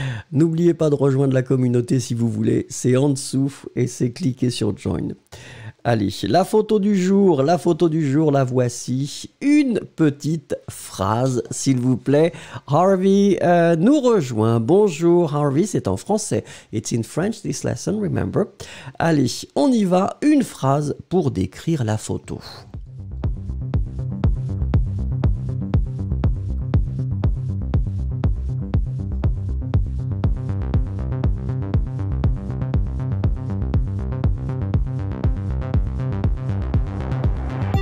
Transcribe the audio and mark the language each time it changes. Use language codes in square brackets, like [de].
[fr] N'oubliez pas de rejoindre la communauté si vous voulez, c'est en dessous et c'est cliquer sur « Join ». Allez, la photo du jour, la voici. Une petite phrase, s'il vous plaît. Harvey nous rejoint. Bonjour, Harvey, c'est en français. [en] It's in French, this lesson, remember. [fr] Allez, on y va. Une phrase pour décrire la photo. [en] Thank you.